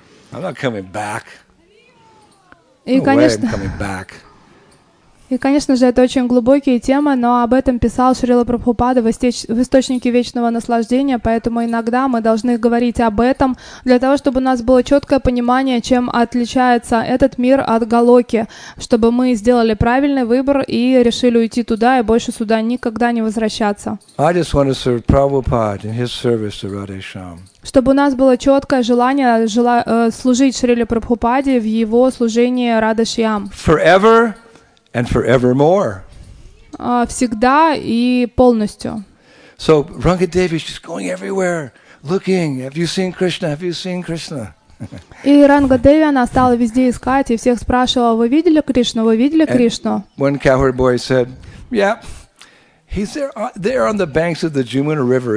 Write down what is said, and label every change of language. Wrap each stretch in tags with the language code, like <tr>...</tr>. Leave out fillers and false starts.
<en>I'm not coming back. No way I'm coming back.</en> <ru>И, конечно же, это очень глубокие темы, но об этом писал Шрила Прабхупада в «Источнике вечного наслаждения», поэтому иногда мы должны говорить об этом для того, чтобы у нас было четкое понимание, чем отличается этот мир от Галоки, чтобы мы сделали правильный выбор и решили уйти туда и больше сюда никогда не возвращаться.</ru> <en>I just want to serve Prabhupada in his service to Radhe Shyam.</en> <ru>Чтобы у нас было четкое желание служить Шриле Прабхупаде в его служении Радхе Шьям.</ru> <en>Forever and forevermore.</en> <ru>Всегда и полностью.</ru> <en>So Ranga Devi is just going everywhere, looking. Have you seen Krishna? Have you seen Krishna?</en> <ru>И Ранга Деви, она стала везде искать и всех спрашивала: вы видели Кришну? Вы видели Кришну?</ru> <en>One cowherd boy said, "Yeah, he's there on the banks of the Jumna River.</en>